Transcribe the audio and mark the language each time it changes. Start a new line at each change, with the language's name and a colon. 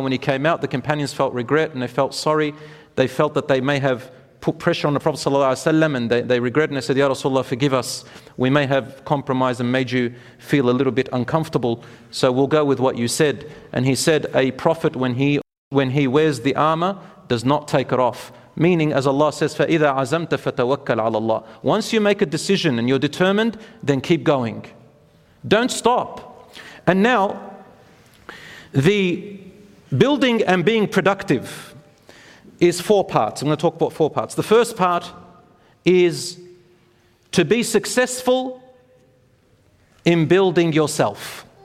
English: When he came out, the companions felt regret and they felt sorry. They felt that they may have put pressure on the Prophet sallallahu alaihi wasallam, and they regret, and they said, Ya Rasulullah, forgive us. We may have compromised and made you feel a little bit uncomfortable, so we'll go with what you said. And he said, a prophet, when he wears the armor, does not take it off. Meaning, as Allah says,
Arabic: فَإِذَا عَزَمْتَ فَتَوَكَّلْ عَلَى اللَّهِ.
English: Once you make a decision and you're determined, then keep going. Don't stop. And now, the building and being productive is four parts. I'm going to talk about four parts. The first part is to be successful in building yourself.